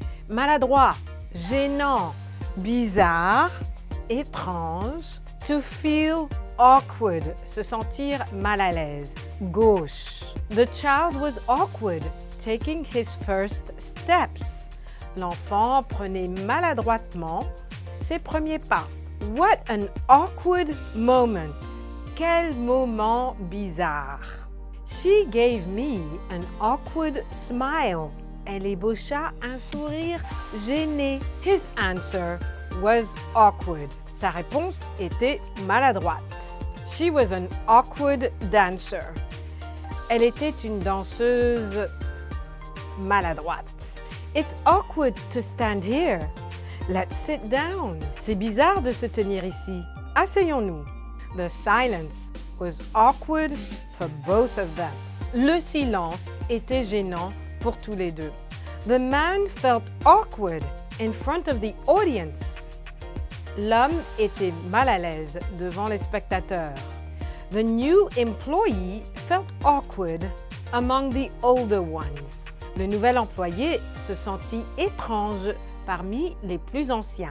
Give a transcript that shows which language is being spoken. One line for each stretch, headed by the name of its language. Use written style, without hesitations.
French: Maladroit, gênant, bizarre, étrange,
English: to feel awkward,
French: se sentir mal à l'aise, gauche.
English: The child was awkward, taking his first steps.
French: L'enfant prenait maladroitement ses premiers pas.
English: What an awkward moment.
French: Quel moment bizarre.
English: She gave me an awkward smile.
French: Elle ébaucha un sourire gêné.
English: His answer was awkward.
French: Sa réponse était maladroite.
English: She was an awkward dancer.
French: Elle était une danseuse maladroite.
English: It's awkward to stand here. Let's sit down.
French: C'est bizarre de se tenir ici. Asseyons-nous.
English: The silence was awkward for both of them.
French: Le silence était gênant pour tous les deux.
English: The man felt awkward in front of the audience.
French: L'homme était mal à l'aise devant les spectateurs.
English: The new employee felt awkward among the older ones.
French: Le nouvel employé se sentit étrange parmi les plus anciens.